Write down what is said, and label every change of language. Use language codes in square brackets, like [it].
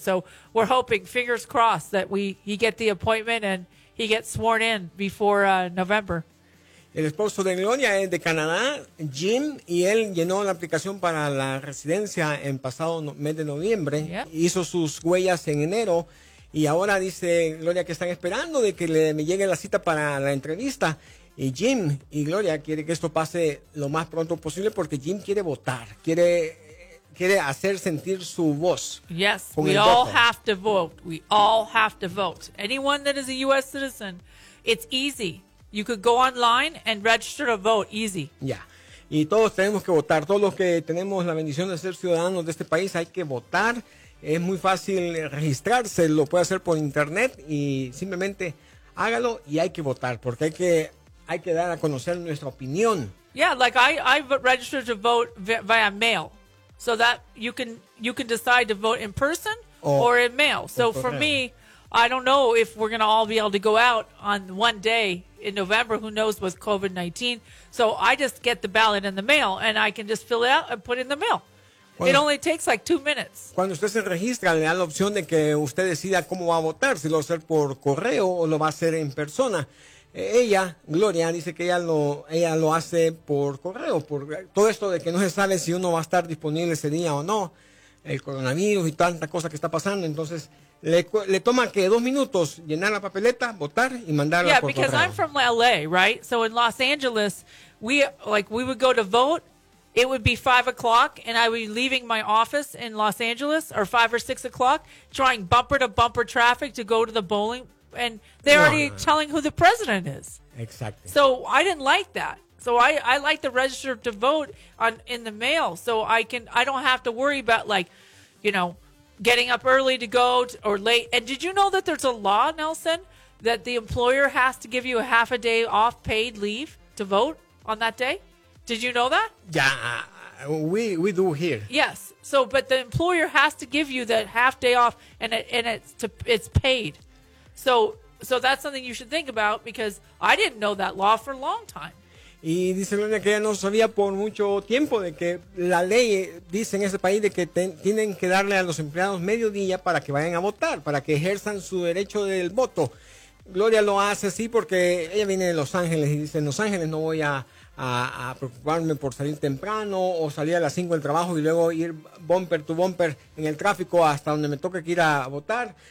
[en] So we're hoping, fingers crossed, that he get the appointment and he gets sworn in before November. [es] El esposo de Gloria es de Canadá, Jim, y él llenó la aplicación para la residencia en pasado mes de noviembre. [en] Yep. [es] Hizo sus huellas en enero y ahora dice Gloria que están esperando de que me llegue la cita para la entrevista. Y Jim y Gloria quiere que esto pase lo más pronto posible porque Jim quiere votar, quiere hacer sentir su voz. [en] Yes, we all have to vote. We all have to vote. Anyone that is a U.S. citizen, it's easy. You could go online and register to vote, easy. Yeah. [es] Y todos tenemos que votar. Todos los que tenemos la bendición de ser ciudadanos de este país, hay que votar. Es muy fácil registrarse. Lo puede hacer por internet y simplemente hágalo y hay que votar porque hay que dar a conocer nuestra opinión. [en] Yeah, like I registered to vote via mail so that you can decide to vote in person or in mail. So for me, I don't know if we're going to all be able to go out on one day in November, who knows, with COVID-19. So I just get the ballot in the mail, and I can just fill it out and put it in the mail. [es] Bueno, [en] it only takes like 2 minutes. [es] Cuando usted se registra, le da la opción de que usted decida cómo va a votar, si lo va a hacer por correo o lo va a hacer en persona. Ella, Gloria, dice que ella lo hace por correo, por todo esto de que no se sabe si uno va a estar disponible ese día o no, el coronavirus y tanta cosa que está pasando, entonces le toma que 2 minutos llenar la papeleta, votar y mandarla por correo. [en] Yeah, because I'm from LA, right? So in Los Angeles, we would go to vote, it would be 5 o'clock, and I would be leaving my office in Los Angeles, or 5 or 6 o'clock, trying bumper to bumper traffic to go to the bowling, and they're already telling who the president is. Exactly. So I didn't like that. So I like to register to vote in the mail, so I don't have to worry about, like, you know, getting up early to go or late. And did you know that there's a law, Nelson, that the employer has to give you a half a day off paid leave to vote on that day? Did you know that? Yeah, we do here. Yes. So, but the employer has to give you that half day off, and it's paid. So that's something you should think about, because I didn't know that law for a long time. [es] Y dice Gloria que ella no sabía por mucho tiempo de que la ley dice en ese país de que tienen que darle a los empleados medio día para que vayan a votar, para que ejerzan su derecho del voto. Gloria lo hace así porque ella viene de Los Ángeles y dice, en Los Ángeles no voy a preocuparme por salir temprano o salir a las 5 del trabajo y luego ir [en] bumper to bumper [es] en el tráfico hasta donde me toque que ir a votar.